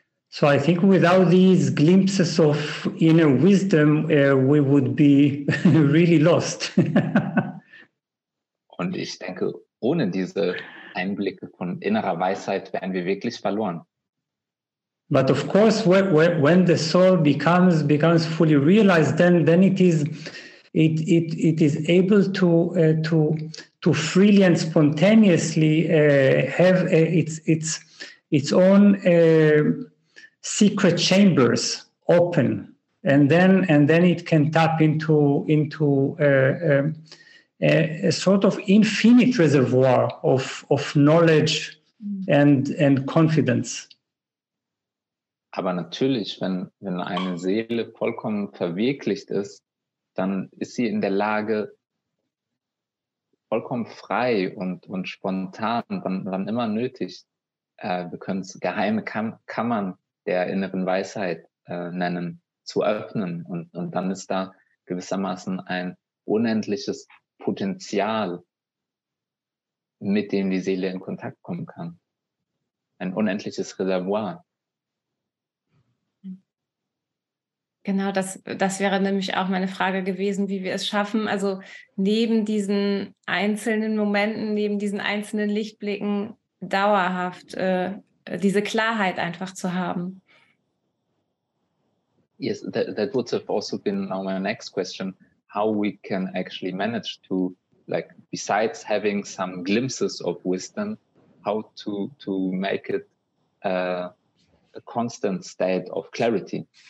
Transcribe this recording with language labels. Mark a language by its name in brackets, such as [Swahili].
[English] So I think without these glimpses of inner wisdom, we would be really lost. [German] Und ich denke, ohne diese Einblicke von innerer Weisheit wären wir wirklich verloren. [English] But of course, when the soul becomes fully realized, then it is able to freely and spontaneously have its own secret chambers open, and then it can tap into a sort of infinite reservoir of knowledge and confidence. [German] Aber natürlich, wenn eine Seele vollkommen verwirklicht ist, dann ist sie in der Lage, vollkommen frei und spontan, wann immer nötig, wir können es geheime Kammern der inneren Weisheit nennen, zu öffnen. Und dann ist da gewissermaßen ein unendliches Potenzial, mit dem die Seele in Kontakt kommen kann. Ein unendliches Reservoir. Genau, das wäre nämlich auch meine Frage gewesen, wie wir es schaffen, also neben diesen einzelnen Momenten, neben diesen einzelnen Lichtblicken dauerhaft diese Klarheit einfach zu haben. [English] Yes, that would have also been now my next question, how we can actually manage to, like, besides having some glimpses of wisdom, how to make it a constant state of clarity.